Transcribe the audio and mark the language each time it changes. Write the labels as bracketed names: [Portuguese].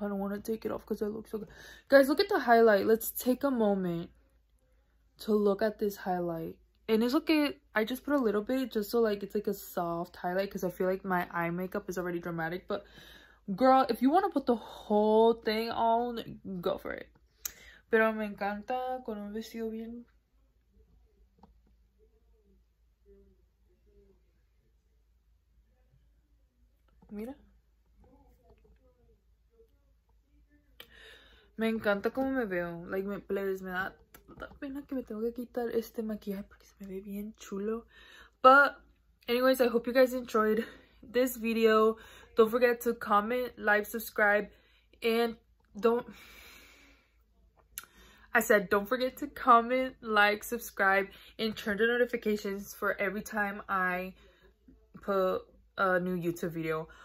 [English] I don't want to take it off because I look so good. Guys, look at the highlight. Let's take a moment to look at this highlight. And it's okay. I just put a little bit just so like it's like a soft highlight because I feel like my eye makeup is already dramatic. But girl, if you want to put the whole thing on, go for it. [Spanish] Pero me encanta con un vestido bien. Mira. Me encanta cómo me veo. Like, me da tanta pena que me tengo que quitar este maquillaje porque se me ve bien chulo. [English] But, anyways, I hope you guys enjoyed this video. Don't forget to comment, like, subscribe, and don't forget to comment, like, subscribe, and turn the notifications for every time I put a new YouTube video.